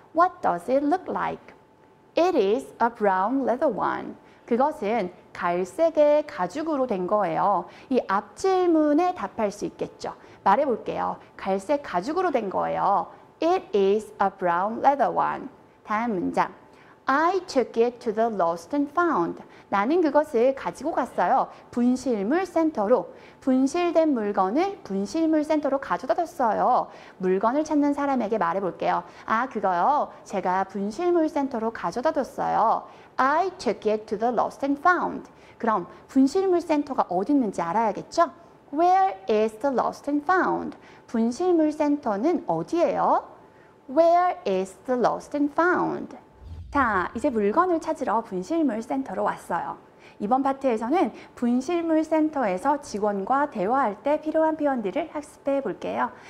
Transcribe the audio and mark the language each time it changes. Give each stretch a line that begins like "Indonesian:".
English: What does it look like? It is a brown leather one.
Korean: 그것은 갈색의 가죽으로 된 거예요. 이 앞 질문에 답할 수 있겠죠. 말해볼게요. 갈색 가죽으로 된 거예요.
English: It is a brown leather one.
Korean: 다음 문장.
English: I took it to the lost and found.
Korean: 나는 그것을 가지고 갔어요. 분실물 센터로. 분실된 물건을 분실물 센터로 가져다 뒀어요. 물건을 찾는 사람에게 말해볼게요. 아, 그거요. 제가 분실물 센터로 가져다 뒀어요.
English: I took it to the lost and found.
Korean: 그럼 분실물 센터가 어디 있는지 알아야겠죠?
English: Where is the lost and found?
Korean: 분실물 센터는 어디예요?
English: Where is the lost and found?
Korean: 자, 이제 물건을 찾으러 분실물 센터로 왔어요. 이번 파트에서는 분실물 센터에서 직원과 대화할 때 필요한 표현들을 학습해 볼게요.